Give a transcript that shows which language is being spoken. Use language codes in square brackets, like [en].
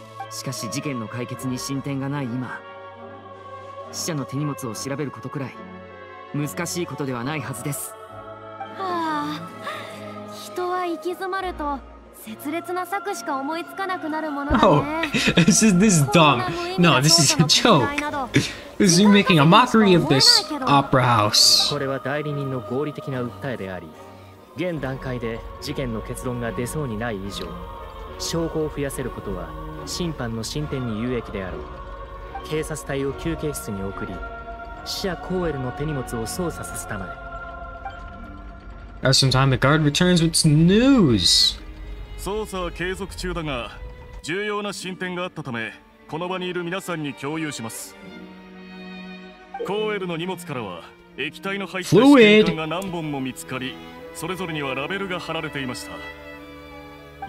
[ja] しかし事件の解決に進展がない今、死者の手荷物を調べることくらい難しいことではないはずです。ああ、人は行き詰まると切裂な策しか思いつかなくなるものだね。 [en] Oh, this is dumb. No, this is a joke. This is you making a mockery of this opera house. [ja] これは代理人の合理的な訴えであり、現段階で事件の結論が出そうにない以上、証拠を増やせることは審判の進展に有益であろう。警察隊を休憩室に送り、死者コーウェルの手荷物を操作させたまで。 [en] As some time, the guard returns with some news. [ja] 捜査は継続中だが、重要な進展があったため、この場にいる皆さんに共有します。コーウェルの荷物からは液体の入った試験管が何本も見つかり、それぞれにはラベルが貼られていました。